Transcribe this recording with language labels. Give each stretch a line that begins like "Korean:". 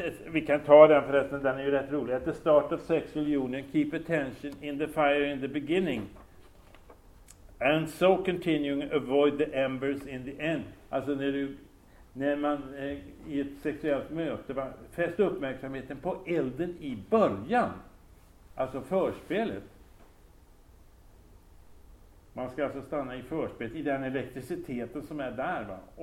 Swedish: Vi kan ta den förresten, den är ju rätt rolig.
English: At the start of sexual union, keep attention in the fire in the beginning. And so continuing, avoid the embers in the end.
Swedish: Alltså när man i ett sexuellt möte, fäst uppmärksamheten på elden i början. Alltså förspelet. Man ska alltså stanna i förspelet, i den elektriciteten som är där. Va?